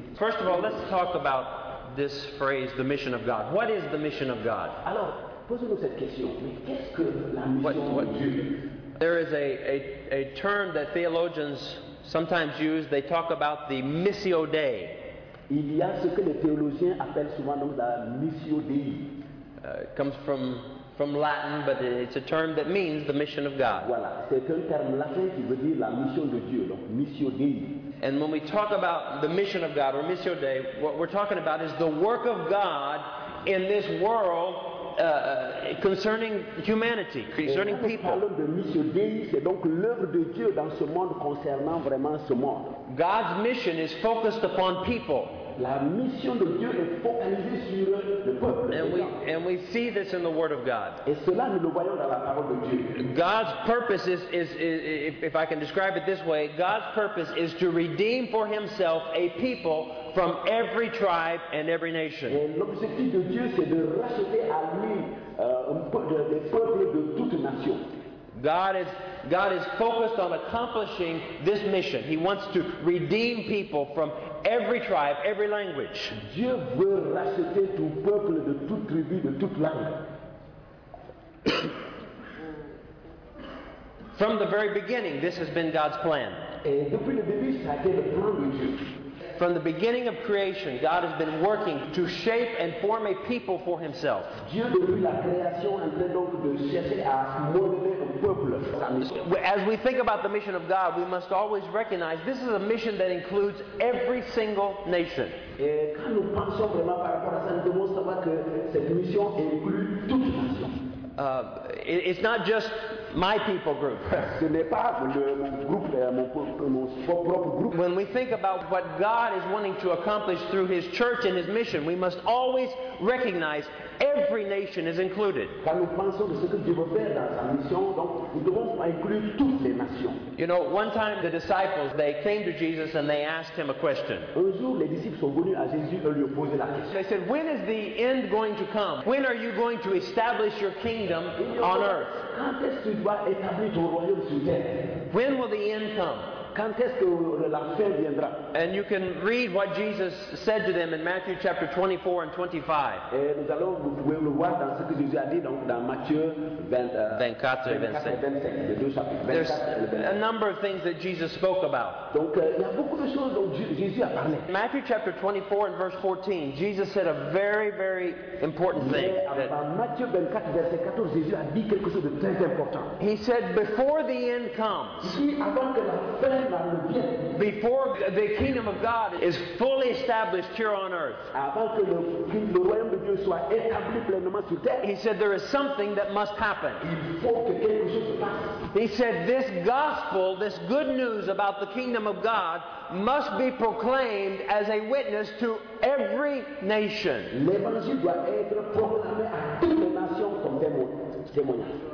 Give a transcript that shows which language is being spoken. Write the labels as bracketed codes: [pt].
[en] First of all, let's talk about this phrase, the mission of God. What is the mission of God? [fr] Alors, posez-nous cette question. Mais qu'est-ce que la mission de Dieu? [en] There is a term that theologians sometimes use. They talk about the missio Dei. [fr] Il y a ce que les théologiens appellent souvent donc la missio Dei. [en] It comes from Latin, but it's a term that means the mission of God. [fr] Voilà, c'est un terme latin qui veut dire la mission de Dieu, donc missio Dei. [en] And when we talk about the mission of God or missio Dei, what we're talking about is the work of God in this world concerning humanity, concerning people. [fr] Et là, nous parlons de missio Dei, c'est donc l'œuvre de Dieu dans ce monde concernant vraiment ce monde. [en] God's mission is focused upon people. [fr] La mission de Dieu est focalisée sur le peuple. [en] And we see this in the Word of God. [fr] Et cela, nous le voyons dans la parole de Dieu. [en] God's purpose is if I can describe it this way, God's purpose is to redeem for Himself a people from every tribe and every nation. [fr] Et l'objectif de Dieu, c'est de racheter à lui des peuples de toute nation. [en] God is focused on accomplishing this mission. He wants to redeem people from every tribe, every language. [fr] Dieu veut racheter tout peuple de toute tribu, de toute langue. [en] From the very beginning, this has been God's plan. [fr] Et depuis le début, ça a été le plan de Dieu. [en] From the beginning of creation, God has been working to shape and form a people for Himself. [fr] Dieu, depuis la création, est en train donc de chercher à modeler un peuple. [en] As we think about the mission of God, we must always recognize this is a mission that includes every single nation. [fr] Et quand nous pensons vraiment par rapport à ça, nous devons savoir que cette mission inclut toutes les nations. [en] It's not just my people group. [fr] Ce n'est pas mon groupe, mon propre groupe. [en] When we think about what God is wanting to accomplish through His church and His mission, we must always recognize every nation is included. [fr] Quand nous pensons de ce que Dieu veut faire dans sa mission, donc nous devons inclure toutes les nations. [en] You know, one time the disciples, they came to Jesus and they asked him a question. [fr] Un jour, les disciples sont venus à Jésus et lui ont posé la question. [en] They said, when is the end going to come? When are you going to establish your kingdom on earth? [fr] Quand est-ce que tu dois établir ton royaume sur terre? [en] When will the end come? [fr] Quand est-ce que la fin viendra? [en] And you can read what Jesus said to them in Matthew chapter 24 and 25. [fr] Et nous allons, vous pouvez le voir dans ce que Jésus a dit donc dans Matthieu 24 et 25. [en] There's a number of things that Jesus spoke about. [fr] Donc il y a beaucoup de choses dont Jésus a parlé. [en] Matthew chapter 24 and verse 14, Jesus said a very, very important thing. [fr] Dans Matthieu 24 verset 14, Jésus a dit quelque chose de très important. [en] He said, "Before the end comes." [fr] Si avant que la fin vienne. [en] Before the kingdom of God is fully established here on earth. [fr] Avant que le royaume de Dieu soit établi pleinement sur terre. [en] He said there is something that must happen. [fr] Il faut que quelque chose se passe. [en] He said this gospel, this good news about the kingdom of God must be proclaimed as a witness to every nation. [fr] L'évangile doit être proclamé à toutes les nations comme témoignage.